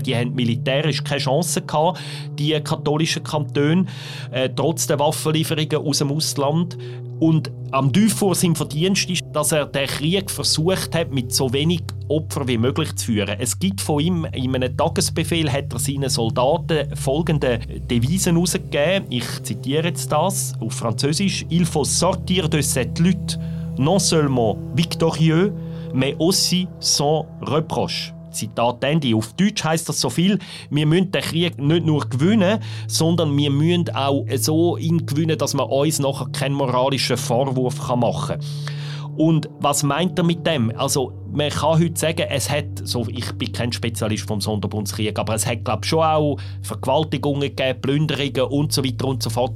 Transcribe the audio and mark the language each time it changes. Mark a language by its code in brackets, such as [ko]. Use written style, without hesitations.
[de] Die haben militärisch keine Chance gehabt, die katholischen Kantone, trotz der Waffenlieferungen aus dem Ausland. Und am Dufour sein Verdienst ist, dass er den Krieg versucht hat, mit so wenig Opfern wie möglich zu führen. Es gibt von ihm, in einem Tagesbefehl hat er seinen Soldaten folgende Devisen herausgegeben. Ich zitiere jetzt das auf Französisch. [fr] «Il faut sortir de cette lutte non seulement victorieux, mais aussi sans reproche.» [de] Zitat Ende. Auf Deutsch heisst das so viel, wir müssen den Krieg nicht nur gewinnen, sondern wir müssen auch so ihn gewinnen, dass man uns nachher keinen moralischen Vorwurf machen kann. Und was meint er mit dem? Also man kann heute sagen, es hat, so, ich bin kein Spezialist vom Sonderbundskrieg, aber es hat glaube ich schon auch Vergewaltigungen gegeben, Plünderungen und so weiter und so fort.